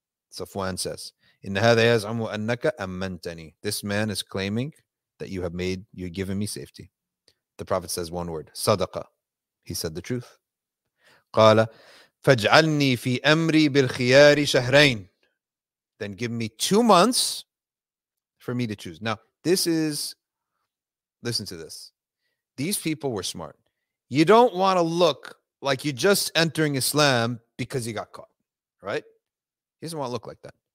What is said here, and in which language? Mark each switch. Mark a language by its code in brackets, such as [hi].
[en] Safwan says, [ar] إن هذا يزعم أنك أمنتني. [en] This man is claiming that you've given me safety. The Prophet says one word, صدقة. He said the truth. [ar] قال فاجعلني في أمري بالخيار شهرين. [en] Then give me 2 months for me to choose. Now, listen to this. These people were smart. You don't want to look like you're just entering Islam because you got caught, right? He doesn't want to look like that.